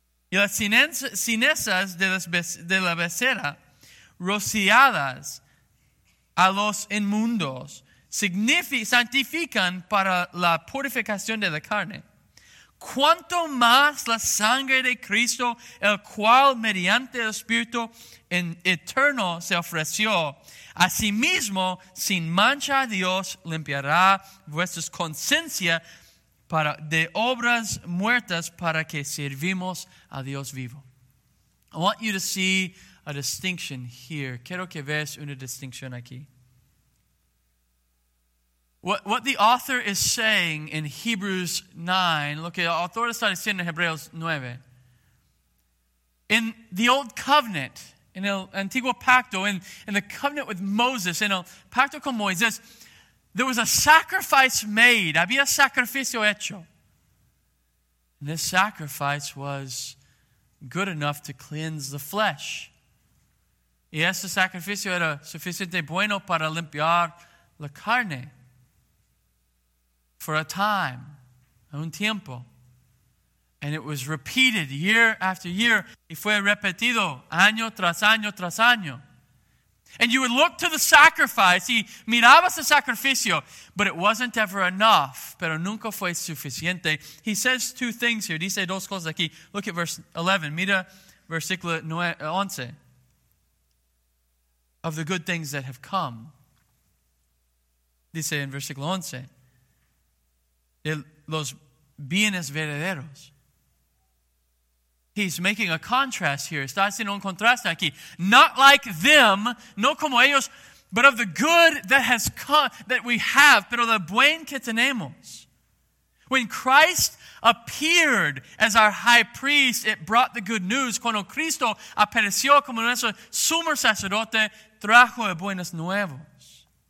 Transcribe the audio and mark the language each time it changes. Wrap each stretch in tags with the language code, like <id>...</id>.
<es>y las cinezas de la becerra rociadas a los inmundos santifican para la purificación de la carne, cuanto más la sangre de Cristo, el cual mediante el Espíritu en eterno se ofreció, asimismo sin mancha Dios limpiará vuestra conciencia para de obras muertas para que servimos a Dios vivo.</es> <en>I want you to see a distinction here.</en> <es>Quiero que veas una distinción aquí.</es> <en>What the author is saying in Hebrews 9,</en> <es>lo que el autor está diciendo en Hebreos 9,</es> <en>in the old covenant, in</en> <es>el antiguo pacto,</es> <en>in the covenant with Moses, in</en> <es>el pacto con Moisés,</es> <en>there was a sacrifice made.</en> <es>Había sacrificio hecho.</es> <en>And this sacrifice was good enough to cleanse the flesh.</en> <es>Y ese sacrificio era suficiente bueno para limpiar la carne.</es> <en>For a time,</en> <es>un tiempo.</es> <en>And it was repeated year after year.</en> <es>Y fue repetido año tras año tras año.</es> <en>And you would look to the sacrifice.</en> <es>Y mirabas el sacrificio.</es> <en>But it wasn't ever enough.</en> <es>Pero nunca fue suficiente.</es> <en>He says two things here.</en> <es>Dice dos cosas aquí.</es> <en>Look at verse 11.</en> <es>Mira versículo 11.</es> <en>Of the good things that have come.</en> <es>Dice en versículo 11. De los bienes verdaderos.</es> <en>He's making a contrast here.</en> <es>Está haciendo un contraste aquí.</es> <en>Not like them,</en> <es>no como ellos,</es> <en>but of the good that has come, that we have,</en> <es>pero lo buen que tenemos.</es> <en>When Christ appeared as our high priest, it brought the good news.</en> <es>Cuando Cristo apareció como nuestro sumo sacerdote, trajo de buenas nuevas.</es>